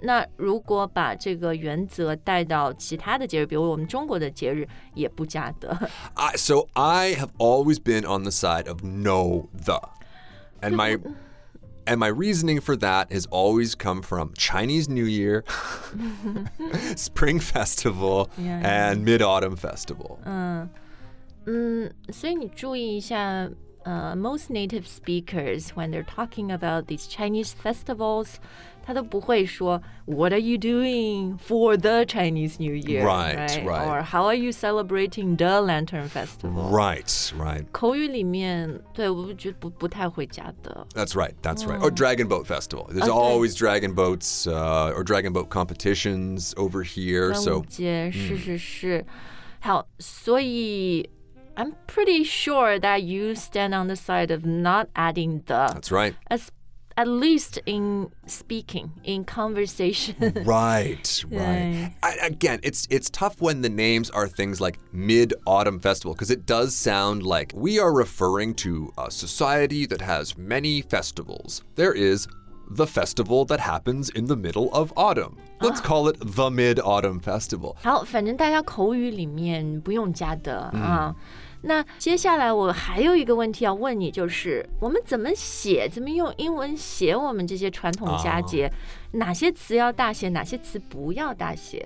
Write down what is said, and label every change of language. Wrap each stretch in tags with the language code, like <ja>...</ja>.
<zh>那如果把这个原则带到其他的节日比如我们中国的节日也不加德</zh> <en>So I have always been on the side of no the. And my, and my reasoning for that has always come from Chinese New Year, Spring Festival, and Mid-Autumn Festival.</en> <zh>所以你注意一下</zh> <en>most native speakers, when they're talking about these Chinese festivals,</en> <zh>他都不会说</zh> <en>what are you doing for the Chinese New Year? Right. Or how are you celebrating the Lantern Festival? Right.</en> <zh>口语里面对我觉得 不太会加的。</zh> <en>That's right. Or Dragon Boat Festival. There's always Dragon Boats, or Dragon Boat competitions over here.</en> <zh>端午节是是是。好，所以</zh> <en>I'm pretty sure that you stand on the side of not adding the. That's right. As, at least in speaking, in conversation. Right. Again, it's tough when the names are things like Mid-Autumn Festival, because it does sound like we are referring to a society that has many festivals. There is the festival that happens in the middle of autumn. Let's call it the Mid-Autumn Festival.</en> <zh>好，反正大家口语里面不用加的啊。那接下来我还有一个问题要问你，就是我们怎么写，怎么用英文写我们这些传统佳节，哪些词要大写，哪些词不要大写？</zh>